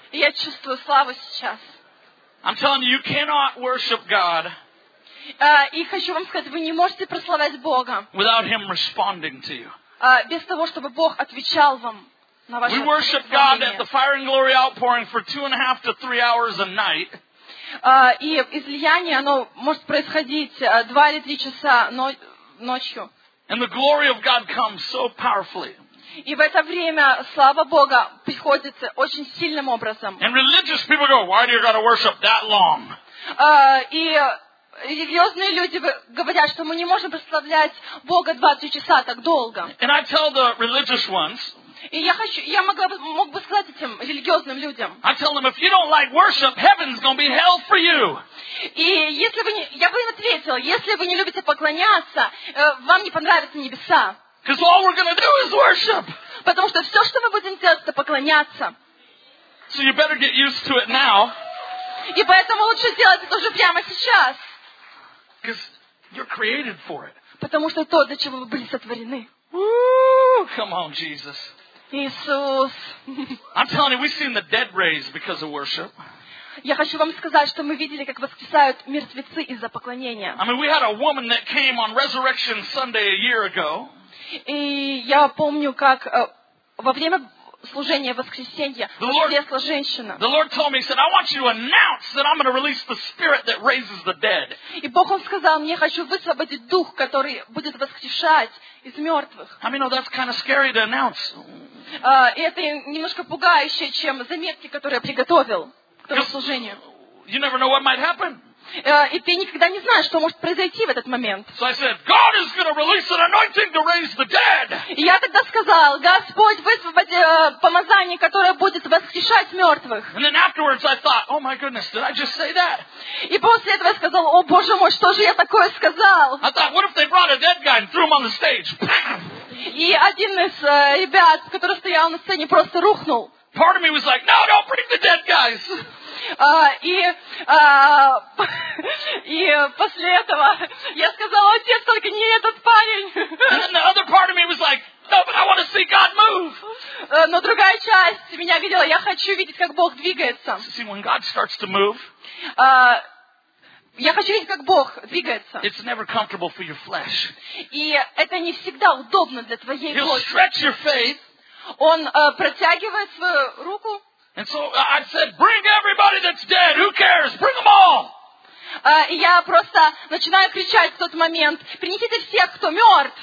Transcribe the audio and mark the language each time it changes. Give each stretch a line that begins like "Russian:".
Russian: Я чувствую славу сейчас.
English: I'm telling you, you cannot worship God.
Russian: И хочу вам сказать, вы не можете прославлять Бога.
English: Without Him responding to you.
Russian: Без того, чтобы Бог отвечал вам на ваше.
English: We worship God at the fire and glory outpouring for 2.5 to 3 hours a night.
Russian: И излияние оно может происходить 2 или 3 часа, но ночью.
English: And the glory of God comes so powerfully.
Russian: И в это время слава Бога приходит очень сильным образом.
English: And religious people go, why do you gotta worship that long?
Russian: И религиозные люди говорят, что мы не можем прославлять Бога 20 часа так долго.
English: And I tell the religious ones.
Russian: И я мог бы сказать этим религиозным людям.
English: I tell them, if you don't like worship, heaven's gonna be hell for you.
Russian: И если вы не, я бы им ответил, если вы не любите поклоняться, вам не понравятся небеса.
English: Because all we're gonna do is worship.
Russian: Потому что все, что мы будем делать, это поклоняться.
English: So you better get used to it now.
Russian: И поэтому лучше сделать это уже прямо сейчас.
English: Because you're created for it.
Russian: Потому что то, для чего вы были сотворены.
English: Come on, Jesus.
Russian: Иисус.
English: I'm telling you, we've seen the dead raised because of worship.
Russian: Я хочу вам сказать, что мы видели, как воскресают мертвецы из-за поклонения.
English: I mean, we had a woman that came on Resurrection Sunday a year ago.
Russian: И я помню, как во время служения воскресенья воскресла женщина.
English: The Lord told me, he said, I want you to announce that I'm going to release the spirit that raises the dead.
Russian: И Бог он сказал мне, хочу высвободить дух, который будет воскрешать из мертвых.
English: I mean, that's kind of scary to announce.
Russian: Это немножко пугающе, чем заметки, которые я приготовил к тому служению.
English: You never know what might happen.
Russian: И ты никогда не знаешь, что может произойти в этот момент.
English: So I said, God is going to release an anointing to raise the dead.
Russian: И я тогда сказал, Господь высвободи помазание, которое будет воскрешать мертвых.
English: And then afterwards I thought, oh my goodness, did I just say that?
Russian: И после этого я сказал, о боже мой, что же я такое сказал?
English: I thought, what if they brought a dead guy and threw him on the stage?
Russian: И один из ребят, который стоял на сцене, просто рухнул.
English: Part of me was like, no, don't bring the dead guys.
Russian: И после этого я сказала, отец, только не этот парень.
English: And then the other part of me was like, no, but I want to see God move.
Russian: Но другая часть меня видела, я хочу видеть, как Бог двигается.
English: See, when God starts to move,
Russian: я хочу видеть, как Бог двигается.
English: It's never comfortable for your flesh.
Russian: И это не всегда удобно для твоей плоти.
English: He'll stretch your faith.
Russian: Он протягивает свою руку.
English: And so I said, bring everybody that's dead. Who cares? Bring them all.
Russian: Я просто начинаю кричать в тот момент. Принесите всех, кто мертв.